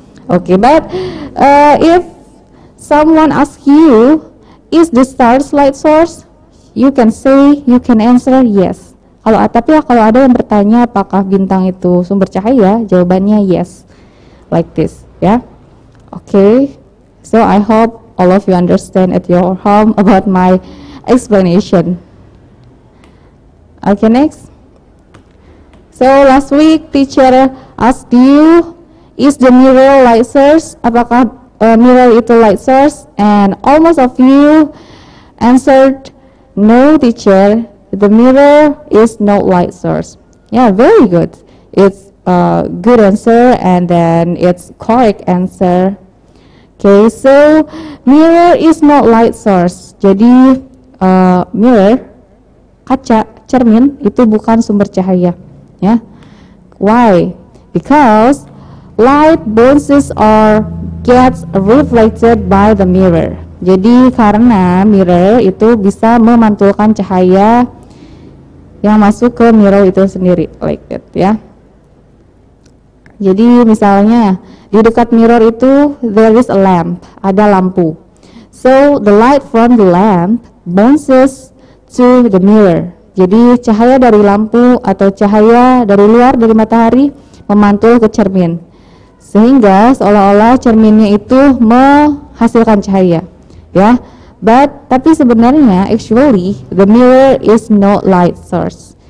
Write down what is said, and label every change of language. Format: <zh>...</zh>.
<en>Okay, but if someone ask you is the star's light source? You can say, you can answer, yes.</en> <id>Kalau tapi kalau ada yang bertanya apakah bintang itu sumber cahaya, jawabannya yes.</id> <en>Like this, ya. Yeah? Okay. So I hope all of you understand at your home about my explanation. Okay, next. So last week teacher asked you, is the mirror light source?</en> <id>Apakah mirror itu light source?</id> <en>And almost of you answered, no teacher, the mirror is not light source. Yeah, very good. It's a good answer, and then it's correct answer. Okay, so mirror is not light source.</en> <id>Jadi mirror, kaca, cermin itu bukan sumber cahaya.</id> <en>Yeah. Why? Because light bounces or gets reflected by the mirror.</en> <id>Jadi karena mirror itu bisa memantulkan cahaya yang masuk ke mirror itu sendiri,</id> <en>like that,</en> <id>ya. Yeah. Jadi misalnya di dekat mirror itu</id> <en>there is a lamp,</en> <id>ada lampu.</id> <en>So the light from the lamp bounces to the mirror.</en> <id>Jadi cahaya dari lampu atau cahaya dari luar dari matahari memantul ke cermin. Sehingga seolah-olah cerminnya itu menghasilkan cahaya.</id> <en>Ya. But</en> <id>tapi sebenarnya</id> <en>actually the mirror is no light source.</en>